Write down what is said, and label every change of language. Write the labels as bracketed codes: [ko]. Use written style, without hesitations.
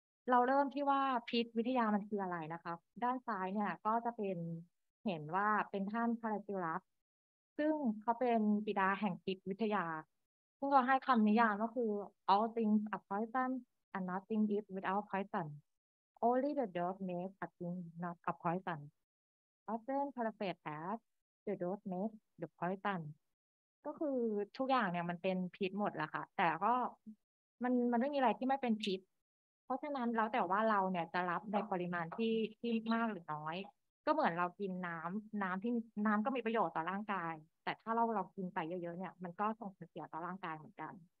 [th] เราเริ่มที่ว่าพิษวิทยามันคืออะไรนะคะด้านซ้ายเนี่ยก็จะเป็นเห็นว่าเป็นท่านคาราจิรัสซึ่งเขาเป็นบิดาแห่งพิษวิทยาซึ่งก็ให้คำนิยามก็คือ [en] all things are poisonAnd nothing is without poison. Only the dose makes a thing not a poison. Often paraphrased as the dose makes the poison. [th] ก็คือทุกอย่างเนี่ยมันเป็นพิษหมดแล้วค่ะแต่ก็มันไม่มีอะไรที่ไม่เป็นพิษเพราะฉะนั้นแล้วแต่ว่าเราเนี่ยจะรับในปริมาณที่มากหรือน้อยก็เหมือนเรากินน้ำที่น้ำก็มีประโยชน์ต่อร่างกายแต่ถ้าเรากินไปเยอะๆเนี่ยมันก็ส่งผลเสียต่อร่างกายเหมือนกัน